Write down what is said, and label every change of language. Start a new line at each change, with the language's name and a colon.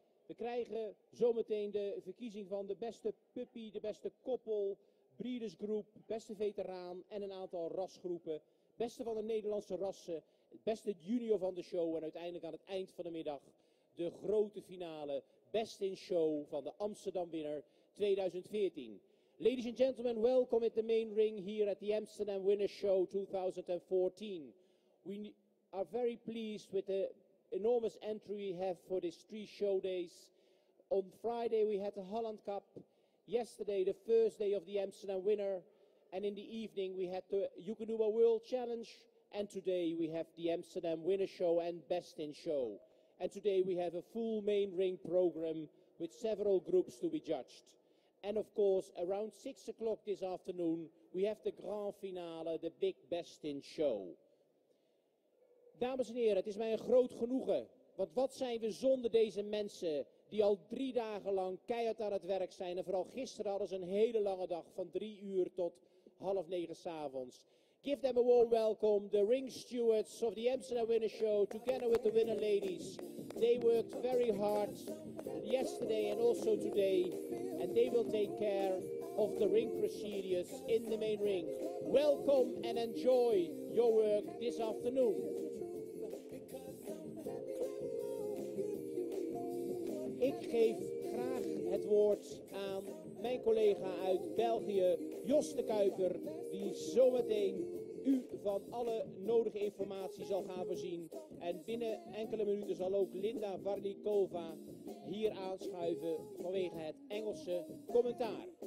Dutch: We krijgen zometeen de verkiezing van de beste puppy, de beste koppel, Breeders Group, beste veteraan en een aantal rasgroepen. Beste van de Nederlandse rassen, het beste junior van de show en uiteindelijk aan het eind van de middag de grote finale. Best in show van de Amsterdam Winner 2014.
English: Ladies and gentlemen, welcome at the main ring here at the Amsterdam Winner Show 2014. We are very pleased with the enormous entry we have for these three show days. On Friday we had the Holland Cup, yesterday the first day of the Amsterdam Winner, and in the evening we had the Youcanoe World Challenge, and today we have the Amsterdam Winner Show and Best in Show. And today we have a full main ring program with several groups to be judged. And of course, around 6 o'clock this afternoon, we have the grand finale, the big best in show.
Dutch: Dames en heren, het is mij een groot genoegen. Want wat zijn we zonder deze mensen die al 3 dagen lang keihard aan het werk zijn. En vooral gisteren hadden ze een hele lange dag van 3 uur tot 8:30 s'avonds.
English: Give them a warm welcome, the ring stewards of the Amsterdam Winner Show, together with the winner ladies. They worked very hard yesterday and also today, and they will take care of the ring procedures in the main ring. Welcome and enjoy your work this afternoon.
Dutch: Ik geef graag het woord aan mijn collega uit België, Jos de Kuiper, die zometeen u van alle nodige informatie zal gaan voorzien. En binnen enkele minuten zal ook Linda Varnikova hier aanschuiven vanwege het Engelse commentaar.